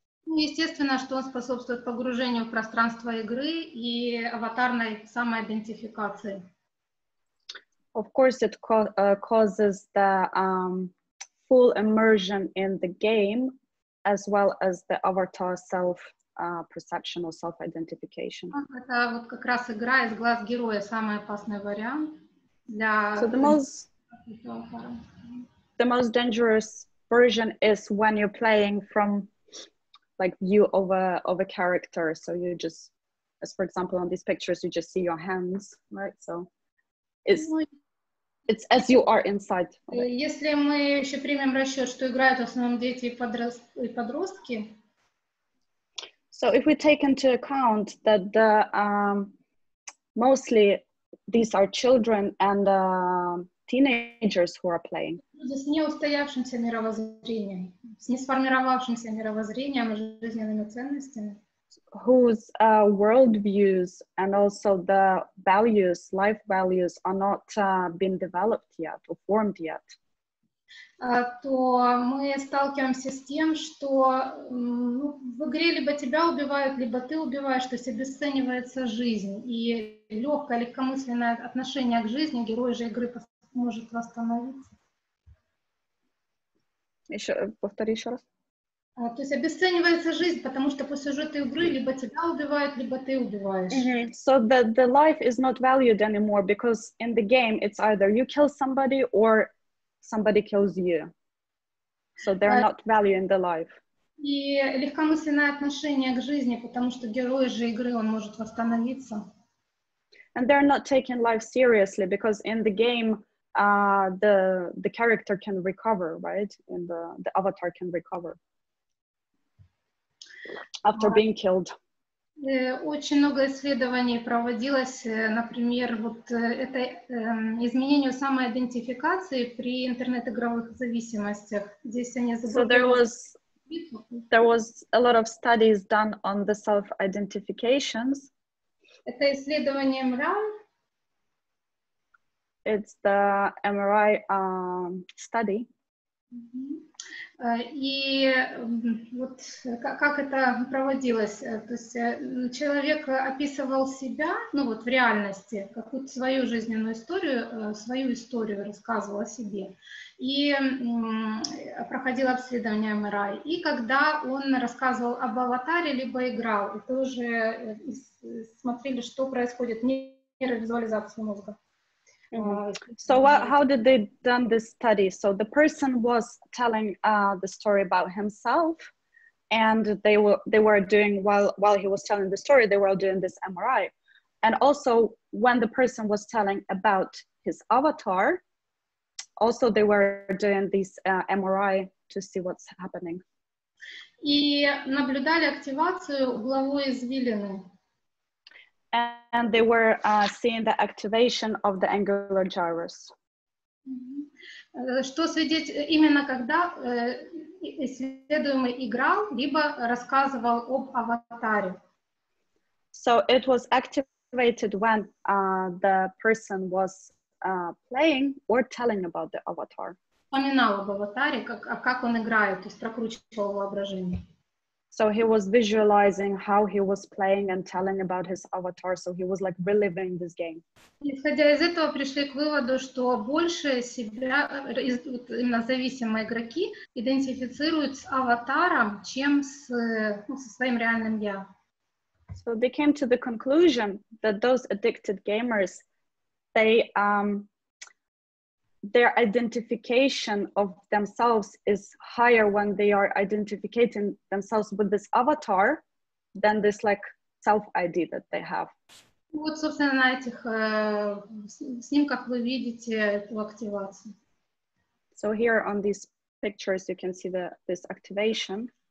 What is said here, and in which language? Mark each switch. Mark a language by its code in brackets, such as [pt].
[ru] Естественно, что он способствует погружению в пространство игры и аватарной самоидентификации. [en] Of course, it causes the full immersion in the game, as well as the avatar self perception or self identification. [ru] Это вот как раз игра из глаз героя, самый опасный вариант для. [en] So the most dangerous version is when you're playing from like view of a character. So you just, as for example, on these pictures, you just see your hands, right? So it's as you are inside. [ru] Если мы еще примем расчет, что играют в основном дети и подростки. [en] So if we take into account that the mostly these are children and teenagers who are playing. [ru] С неустоявшимся мировоззрением, с несформировавшимся мировоззрением и жизненными ценностями. [en] Whose worldviews and also the values, life values, are not been developed yet or formed yet. [ru] То мы сталкиваемся с тем, что в игре либо тебя убивают, либо ты убиваешь, то есть обесценивается жизнь. И легкое, легкомысленное отношение к жизни герой же игры может восстановиться. Еще, повтори еще раз. То есть обесценивается жизнь, потому что по сюжету игры либо тебя убивают, либо ты убиваешь. Mm-hmm. [en] So the life is not valued anymore, because in the game it's either you kill somebody or somebody kills you. So they're not valuing the life. [ru] И легкомысленное отношение к жизни, потому что герой же игры, он может восстановиться. [en] And they're not taking life seriously, because in the game the character can recover, right? And the avatar can recover after being killed. [ru] Очень много исследований проводилось, например, вот это изменение самоидентификации при интернет-игровых зависимостях. Здесь они забыли. [en] So there was a lot of studies done on the self-identifications. [ru] Это исследование MRI. [en] It's the MRI study. [ru] И вот как это проводилось, то есть человек описывал себя, ну вот в реальности, какую-то свою жизненную историю, свою историю рассказывал о себе, и проходил обследование MRI, и когда он рассказывал об аватаре, либо играл, и тоже смотрели, что происходит, нейровизуализация мозга. [en] Mm-hmm. So how did they done this study? So the person was telling the story about himself, and they were doing while he was telling the story, they were doing this MRI. And also when the person was telling about his avatar, also they were doing this MRI to see what's happening. [ru] И наблюдали активацию угловой извилины. [en] And they were seeing the activation of the angular gyrus. [ru] Что свидетель именно когда исследуемый играл либо рассказывал об аватаре? [en] So it was activated when the person was playing or telling about the avatar. [ru] Вспоминал об аватаре, как он играет, то есть прокручивал воображение. [en] So he was visualizing how he was playing and telling about his avatar. So he was like reliving this game. [ru] Исходя из этого, пришли к выводу, что больше себя, именно зависимые игроки, идентифицируют с аватаром, чем с, ну, со своим реальным я. [en] So they came to the conclusion that those addicted gamers, they their identification of themselves is higher when they are identifying themselves with this avatar than this like self-ID that they have. [ru] Вот, собственно, на этих снимках вы видите эту активацию. [en] So here on these pictures you can see this activation.